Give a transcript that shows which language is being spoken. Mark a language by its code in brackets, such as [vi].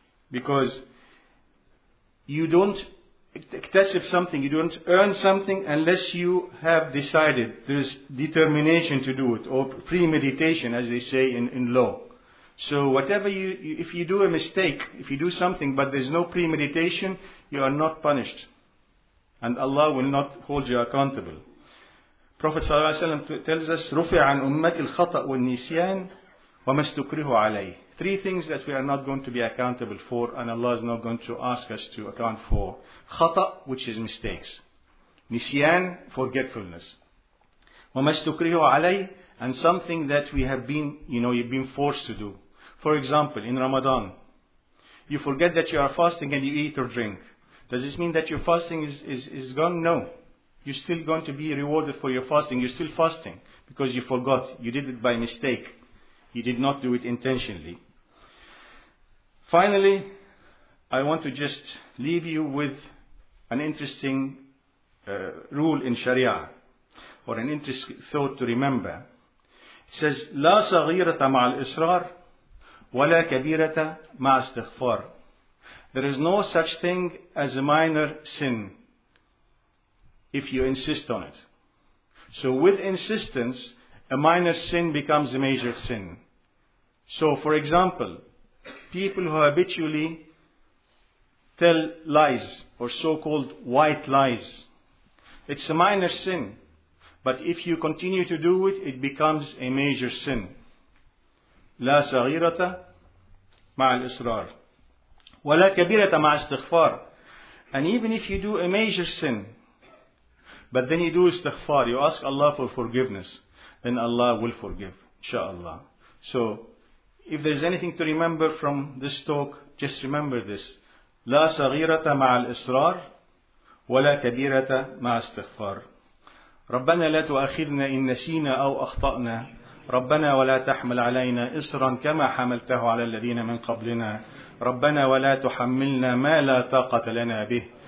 [en] Because you don't اكتسب something, you don't earn something unless you have decided, there is determination to do it, or premeditation as they say in law. So whatever if you do a mistake, if you do something but there is no premeditation, you are not punished. And Allah will not hold you accountable. Prophet ﷺ tells us, [ar] رُفِعَ عَنْ أُمَّةِ الْخَطَأُ وَالنِّسْيَانِ وَمَا اسْتُكْرِهُ عَلَيْهِ. [en] Three things that we are not going to be accountable for, and Allah is not going to ask us to account for. خطأ, which is mistakes. نسيان forgetfulness. [ar] وما استكره عليه [en] and something that we have been, you know, you've been forced to do. For example, in Ramadan, you forget that you are fasting and you eat or drink. Does this mean that your fasting is gone? No. You're still going to be rewarded for your fasting. You're still fasting because you forgot. You did it by mistake. You did not do it intentionally. Finally, I want to just leave you with an interesting rule in Sharia, or an interesting thought to remember. It says, [ar] لا صغيرة مع الإصرار ولا كبيرة مع استغفار. [en] There is no such thing as a minor sin if you insist on it. So with insistence, a minor sin becomes a major sin. So for example, people who habitually tell lies, or so-called white lies, it's a minor sin. But if you continue to do it, it becomes a major sin. [ar] لا صغيرة مع الإصرار ولا كبيرة مع استغفار. [en] And even if you do a major sin, but then you do استغفار, you ask Allah for forgiveness, then Allah will forgive, inshallah. So, if there's anything to remember from this talk, just remember this. [ar] لا صغيرة مع الإصرار ولا كبيرة مع استغفار. ربنا لا تؤاخذنا إن نسينا أو أخطأنا. ربنا ولا تحمل علينا إصرا كما حملته على الذين من قبلنا. ربنا ولا تحملنا ما لا طاقة لنا به.